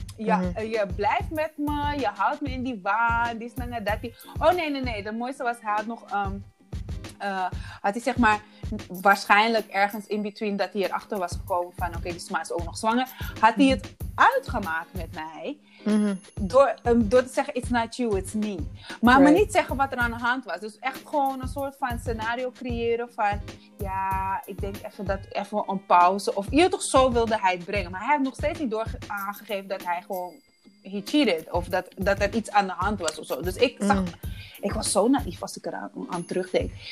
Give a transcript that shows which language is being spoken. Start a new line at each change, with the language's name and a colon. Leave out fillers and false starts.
Dutch: Je blijft met me. Je houdt me in die waan. Die snange dat. Oh nee. De mooiste was, hij had nog had hij, zeg maar, waarschijnlijk ergens
English: in between
Dutch: dat hij erachter was gekomen van oké, die sma is ook nog zwanger. Had hij het uitgemaakt met mij. Mm-hmm. Door te zeggen,
English: it's not you, it's me.
Dutch: Maar right. Me niet zeggen wat er aan de hand was. Dus echt gewoon een soort van scenario creëren van, ja, ik denk even dat even een pauze. Of je toch, zo wilde hij het brengen. Maar hij heeft nog steeds niet aangegeven dat hij gewoon,
English: he cheated.
Dutch: Of dat er iets aan de hand was of zo. Dus ik zag, ik was zo naïef als ik eraan terugdenk.